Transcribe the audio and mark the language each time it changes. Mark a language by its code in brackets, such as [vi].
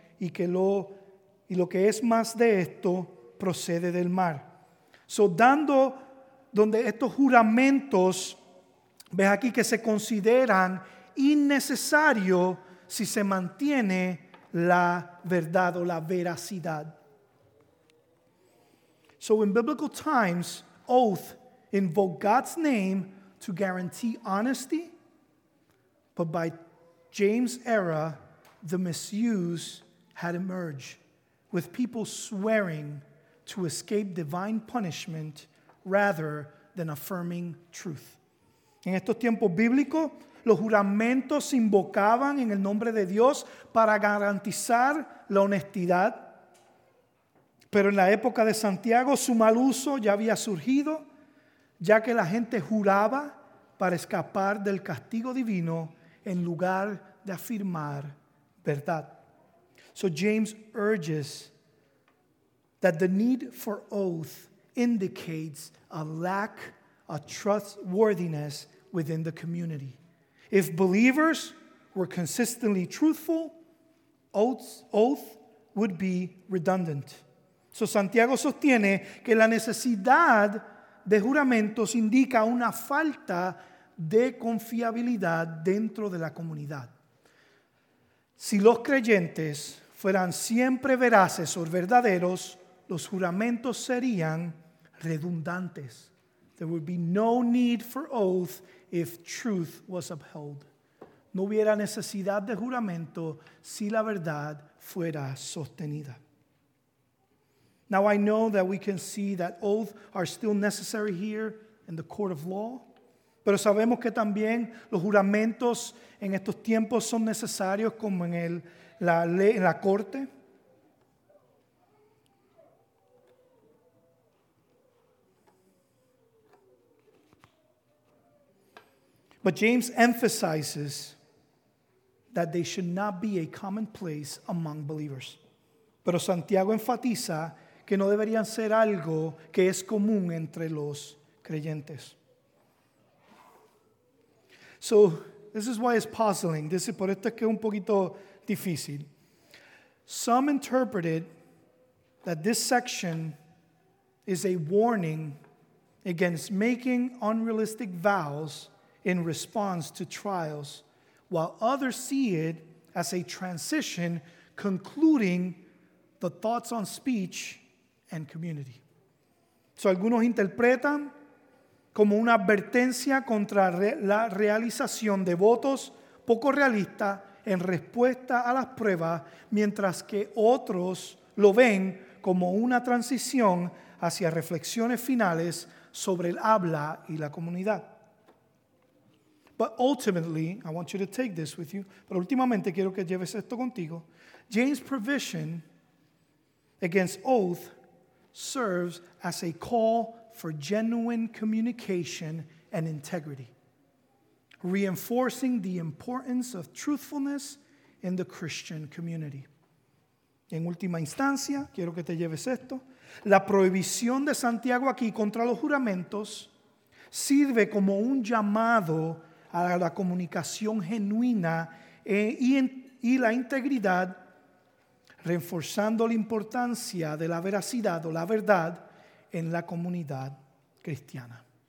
[es] y lo que es más de esto procede del mal. So, dando donde estos juramentos, ves aquí que se consideran innecesarios si se mantiene la verdad o la veracidad. [en] So in biblical times, oath invoke God's name to guarantee honesty, but by James' era, the misuse had emerged, with people swearing to escape divine punishment rather than affirming truth. [es] En estos tiempos bíblicos, los juramentos se invocaban en el nombre de Dios para garantizar la honestidad. Pero en la época de Santiago, su mal uso ya había surgido, ya que la gente juraba para escapar del castigo divino en lugar de afirmar verdad. [en] So James urges that the need for oath indicates a lack of trustworthiness within the community. If believers were consistently truthful, oath would be redundant. [es] So Santiago sostiene que la necesidad de juramentos indica una falta de confiabilidad dentro de la comunidad. Si los creyentes fueran siempre veraces o verdaderos, los juramentos serían redundantes. [en] There would be no need for oath if truth was upheld. [es] No hubiera necesidad de juramento si la verdad fuera sostenida. [en] Now I know that we can see that oaths are still necessary here in the court of law. [es] Pero sabemos que también los juramentos en estos tiempos son necesarios como en la ley, en la corte. [en] But James emphasizes that they should not be a commonplace among believers. [es] Pero Santiago enfatiza que no deberían ser algo que es común entre los creyentes. [en] So, this is why it's puzzling. This is [es] por esto es que es un poquito difícil. [en] Some interpreted that this section is a warning against making unrealistic vows in response to trials, while others see it as a transition concluding the thoughts on speech and community. [es] So, algunos interpretan como una advertencia contra la realización de votos poco realista en respuesta a las pruebas, mientras que otros lo ven como una transición hacia reflexiones finales sobre el habla y la comunidad. [en] But ultimately, I want you to take this with you, [es] pero últimamente quiero que lleves esto contigo. [en] James' provision against oath serves as a call for genuine communication and integrity, reinforcing the importance of truthfulness in the Christian community. [es] En última instancia, quiero que te lleves esto. La prohibición de Santiago aquí contra los juramentos sirve como un llamado a la comunicación genuina y la integridad, reforzando la importancia de la veracidad o la verdad en la comunidad cristiana.